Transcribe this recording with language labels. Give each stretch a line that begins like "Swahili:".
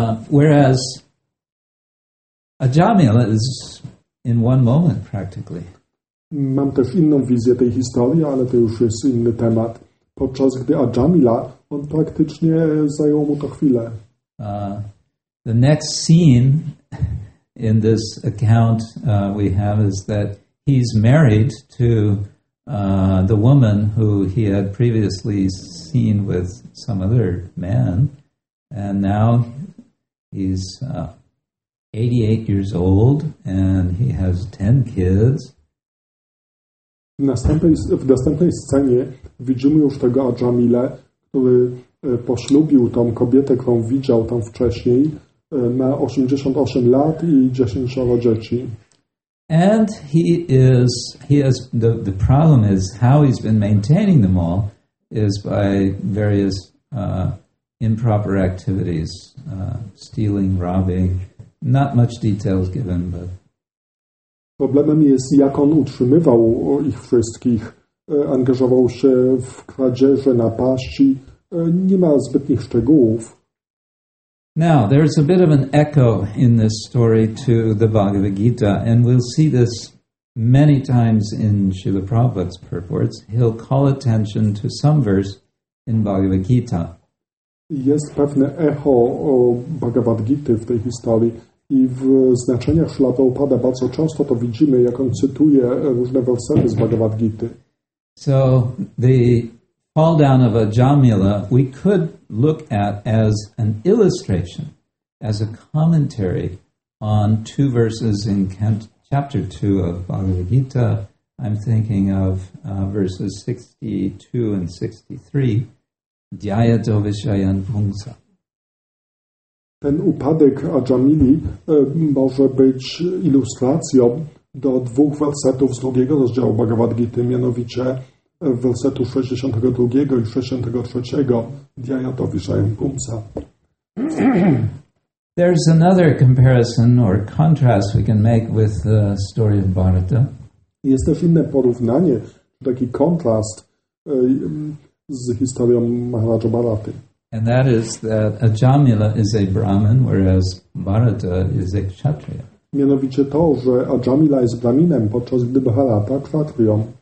English: Whereas Ajamila is in one moment practically.
Polish: Mam też inną wizję tej historii, ale to już jest inny temat. Podczas gdy Ajamila, on praktycznie zajął mu to chwilę.
English: The next scene in this account we have is that he's married to the woman who he had previously seen with some other man, and now he's 88 years old and he has 10 kids.
Polish: W następnej scenie widzimy już tego Ajamilę, który poślubił tą kobietę, którą widział tam wcześniej. Ma 88 lat i 10 dzieci.
English: And he has the problem is how he's been maintaining them all is by various improper activities, stealing, robbing. Not much details given, but...
Polish: Problemem jest, jak on utrzymywał ich wszystkich. Angażował się w kradzieże, napaści. Nie ma zbytnich szczegółów.
English: Now, there's a bit of an echo in this story to the Bhagavad Gita, and we'll see this many times in Srila Prabhupada's purports. He'll call attention to some verse in Bhagavad Gita.
Polish: Jest pewne echo o Bhagavad Gita w tej historii i w znaczeniach Srila Prabhupada bardzo często to widzimy, jak on cytuje różne wersety z Bhagavad Gita.
English: So, the fall down of Ajamila we could look at as an illustration, as a commentary on two verses in chapter 2 of Bhagavad Gita. I'm thinking of verses 62 and 63, Dhyayato Vishayan Pungsa.
Polish: Ten upadek Ajamili może być ilustracją do dwóch wersetów z drugiego rozdziału Bhagavad Gita, mianowicie wersetu 62 i 63, Dhyayato Vishayan Pungsa.
English: There's another comparison or contrast we can make with the story of Bharata.
Polish: Jest też inne porównanie, taki kontrast z historią Maharaja Bharaty.
English: And that is that Ajamila is a Brahmin, whereas Bharata is a Kshatriya.
Polish: Mianowicie to, że Ajamila jest Brahminem, podczas gdy Bharata Kshatriya.